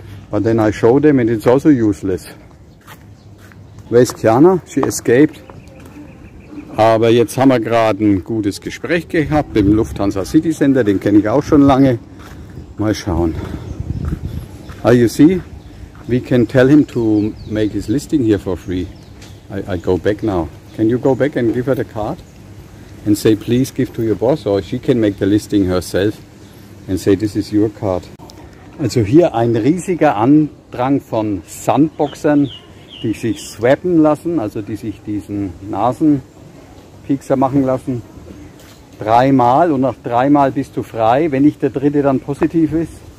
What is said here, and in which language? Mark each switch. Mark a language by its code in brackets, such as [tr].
[en] But then I show them, and it's also useless. Where's Kiana? She escaped. [de] Aber jetzt haben wir gerade ein gutes Gespräch gehabt im Lufthansa City Center. Den kenne ich auch schon lange. Mal schauen. [en] Ah, you see? We can tell him to make his listing here for free. I go back now. Can you go back and give her the card? And say, please give to your boss, or she can make the listing herself. And say, this is your card. [de] Also hier ein riesiger Andrang von Sandboxern, die sich swappen lassen, also die sich diesen Nasenpiekser machen lassen. Dreimal, und nach dreimal bist du frei, wenn nicht der dritte dann positiv ist.